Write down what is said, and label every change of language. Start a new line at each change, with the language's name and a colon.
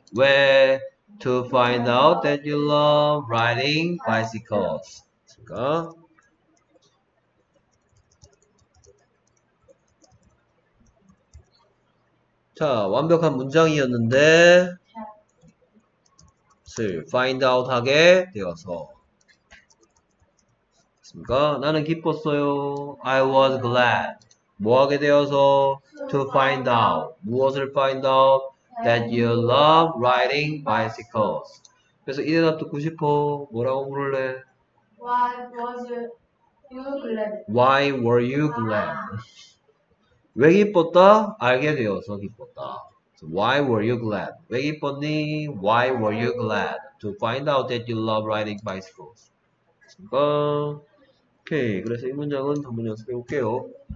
English: Where to find out that you love riding bicycles?
Korean: 그러니까 자, 완벽한 문장이었는데 슬 find out 하게 되어서 그러니까 나는 기뻤어요.
English: I was glad.
Korean: 뭐하게 되어서?
English: To find out. 무엇을 find out? That you love riding bicycles.
Korean: 그래서 이 대답 듣고 싶어. 뭐라고 물을래?
English: Why was you glad? Why were you glad?
Korean: 왜 기뻤다? 알게 되어서 기뻤다.
English: So why were you glad?
Korean: 왜 기뻤니?
English: Why were you glad? To find out that you love riding bicycles.
Korean: 오케이. 그래서 이 문장은 한번 연습해 볼게요.